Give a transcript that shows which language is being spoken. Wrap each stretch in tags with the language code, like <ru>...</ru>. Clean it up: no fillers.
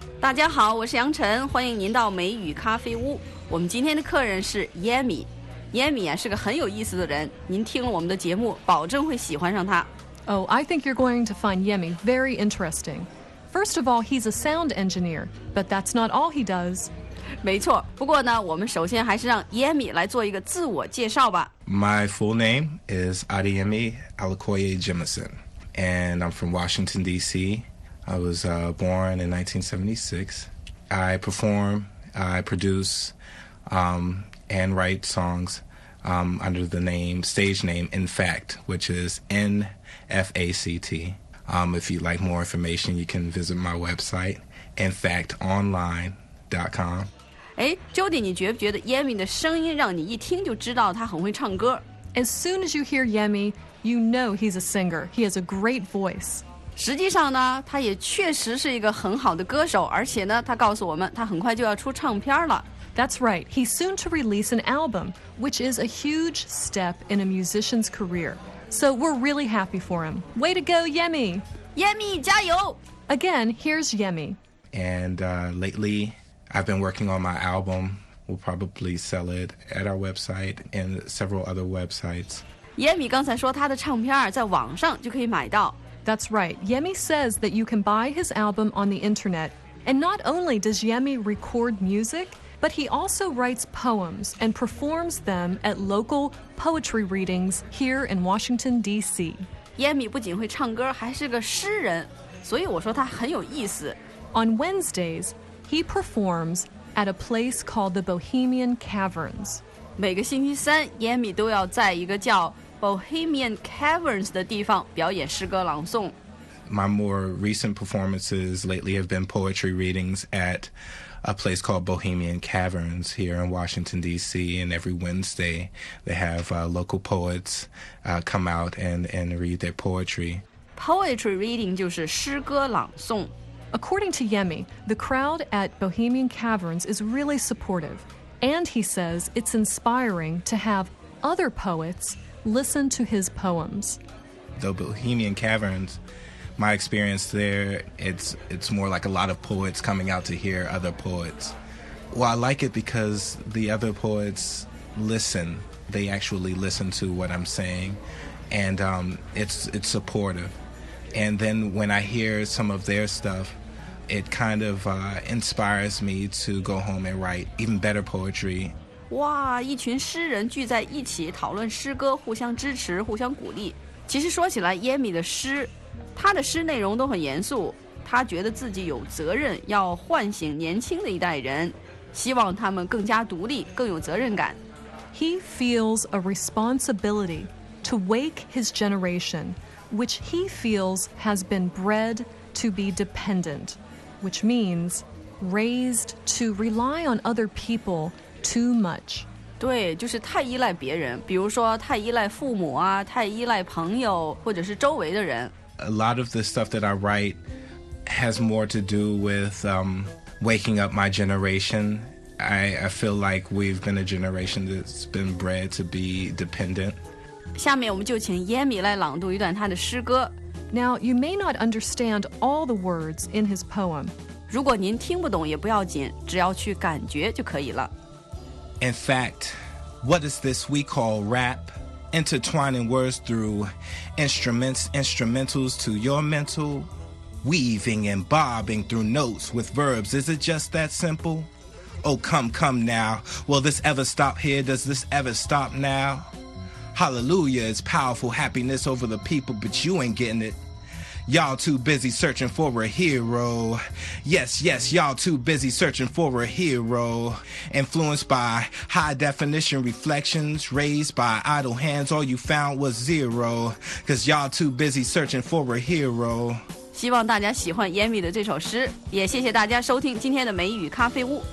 <zh>大家好，我是杨晨，欢迎您到美语咖啡屋。我们今天的客人是 Yemi。Yemi 啊，是个很有意思的人，您听了我们的节目，保证会喜欢上他。</zh> <en>Oh, I think you're going to find Yemi very interesting. First of all, he's a sound engineer, but that's not all he does.</en> <zh>没错，不过呢，我们首先还是让 Yemi 来做一个自我介绍吧。</zh> <en>My full name is Adeyemi Alakoye Jemison. And I'm from Washington, D.C. I was born in 1976. I perform, I produce, and write songs under the name, stage name, InFact, which is N-F-A-C-T. If you'd like more information, you can visit my website, InFactOnline.com.</en> <zh>Hey, Jody, 你觉不觉得 Yemi 的声音让你一听就知道他很会唱歌？</zh> <en>As soon as you hear Yemi, you know he's a singer. He has a great voice.</en> <zh>实际上呢，他也确实是一个很好的歌手，而且呢，他告诉我们他很快就要出唱片了。</zh> <en>That's right. He's soon to release an album, which is a huge step in a musician's career. So we're really happy for him. Way to go, Yemi!</en> <zh>Yemi, 加油！</zh> <en>Again, here's Yemi. And lately, I've been working on my album. We'll probably sell it at our website and several other websites.</en> <zh>Yemi 刚才说他的唱片在网上就可以买到。</zh> <en>That's right. Yemi says that you can buy his album on the internet. And not only does Yemi record music, but he also writes poems and performs them at local poetry readings here in Washington, D.C.</en> <zh>Yemi 不仅会唱歌，还是个诗人，所以我说他很有意思。</zh> <en>On Wednesdays, he performs... at a place called the Bohemian Caverns.</en> <zh>每个星期三 ,Yemi 都要在一个叫 Bohemian Caverns 的地方表演诗歌朗诵。</zh> <en>My more recent performances lately have been poetry readings at a place called Bohemian Caverns here in Washington, D.C. And every Wednesday, they have local poets come out and read their poetry.</en> <zh>Poetry reading 就是诗歌朗诵。</zh> <en>According to Yemi, the crowd at Bohemian Caverns is really supportive, and he says it's inspiring to have other poets listen to his poems. The Bohemian Caverns, my experience there, it's more like a lot of poets coming out to hear other poets. Well, I like it because the other poets listen They actually listen to what I'm saying, and it's supportive. And then when I hear some of their stuff, it kind of inspires me to go home and write even better poetry.</en> <zh>哇，一群诗人聚在一起讨论诗歌，互相支持，互相鼓励。其实说起来 ，Yemi 的诗，他的诗内容都很严肃。他觉得自己有责任要唤醒年轻的一代人，希望他们更加独立，更有责任感。</zh> <en>He feels a responsibility to wake his generation, which he feels has been bred to be dependent, which means raised to rely on other people too much.</en> <zh>对，就是太依赖别人，比如说太依赖父母啊，太依赖朋友或者是周围的人。</zh> <en>A lot of the stuff that I write has more to do with waking up my generation. I feel like we've been a generation that's been bred to be dependent.</en> <zh>下面我们就请 Yemi 来朗读一段他的诗歌。</zh> <en>Now, you may not understand all the words in his poem.</en> <zh>如果您听不懂也不要紧，只要去感觉就可以了。</zh> <en>In fact, what is this we call rap? Intertwining words through instruments, instrumentals to your mental. Weaving and bobbing through notes with verbs, is it just that simple? Oh, come, come now. Will this ever stop here? Does this ever stop now? Hallelujah is powerful happiness over the people, but you ain't getting it. Y'all too busy searching for a hero. Yes, yes, y'all too busy searching for a hero. Influenced by high definition reflections, raised by idle hands, all you found was zero. Cause y'all too busy searching for a hero.</en> <zh>希望大家喜欢 Yemi 的这首诗，也谢谢大家收听今天的美语咖啡屋。</zh>